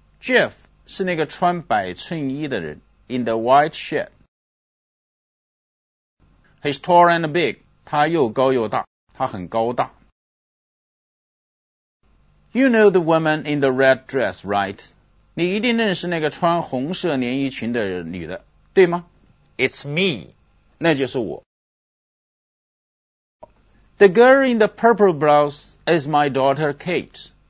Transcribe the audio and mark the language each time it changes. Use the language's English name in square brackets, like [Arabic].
[Chinese] Jeff 是那个穿白衬衣的人 [English] in the white shirt. He's tall and big. [Chinese] 他又高又大，他很高大。 [English] You know the woman in the red dress, right? [Chinese] 你一定认识那个穿红色连衣裙的女的，对吗？ [English] It's me. [Chinese] 那就是我。 [English] The girl in the purple blouse is my daughter, Kate.